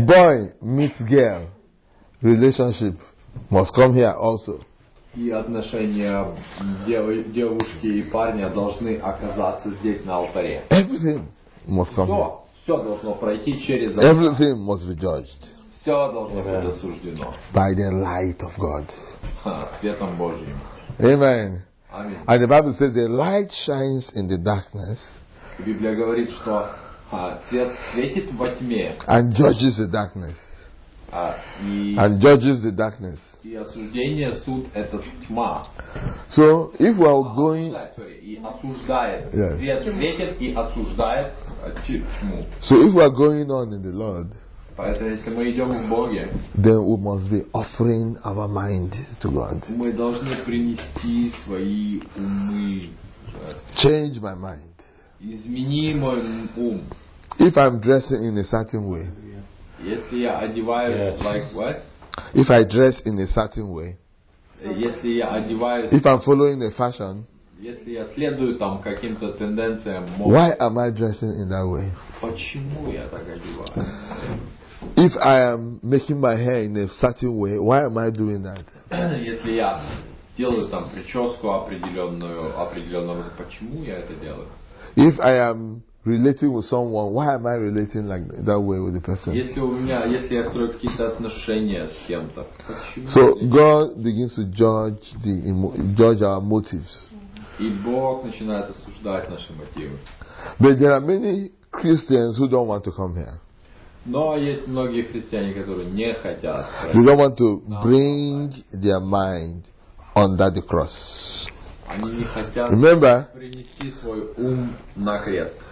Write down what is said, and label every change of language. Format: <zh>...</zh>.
<en>Boy meets girl relationship must come here also.</en> <ru>И отношения девушки и парня должны оказаться здесь на алтаре.</ru> <en>Everything must come.</en> <ru>Все должно пройти через.</ru> <en>Everything must be judged.</en> <ru>Все должно быть осуждено.</ru> <en>By the light of God.</en> <ru>Светом Божьим.</ru> <en>Amen. And the Bible says the light shines in the darkness.</en> <ru>Библия говорит, что свет светит во тьме.</ru> <en>And judges the darkness. And judges the darkness.</en> <ru>И осуждение, суд — это тьма.</ru> <en>So if we are going,</en> <ru>и осуждает, свет светит и осуждает тьму.</ru> <en>So if we are going on in the Lord,</en> <ru>поэтому если мы идем в Боге,</ru> <en>then we must be offering our mind to God.</en> <ru>Мы должны принести свои умы.</ru> <en>Change my mind.</en> <ru>Измени мой ум.</ru> <en>If I'm dressing in a certain way,</en> <ru>если я одеваюсь</ru> <en>like what? If I dress in a certain way,</en> <ru>если я одеваюсь,</ru> <en>if I'm following a fashion,</en> <ru>если я следую там каким-то тенденциям,</ru> <en>why am I dressing in that way?</en> <ru>Почему я так одеваюсь?</ru> <en>If I am making my hair in a certain way, why am I doing that?</en> <ru>Если я делаю там прическу определенного, почему я это делаю?</ru> <en>If I am relating with someone, why am I relating like that way with the person?</en> <ru>Если я строю какие-то отношения с кем-то, почему?</ru> <en>So God begins to judge our motives.</en> <ru>И Бог начинает осуждать наши мотивы.</ru> <en>But there are many Christians who don't want to come here.</en> <ru>Но есть многие христиане, которые не хотят.</ru> <en>They don't want to bring their mind under the cross.</en> <ru>Они не хотят.</ru> <en>Remember,</en> <ru>принести свой ум на крест.</ru>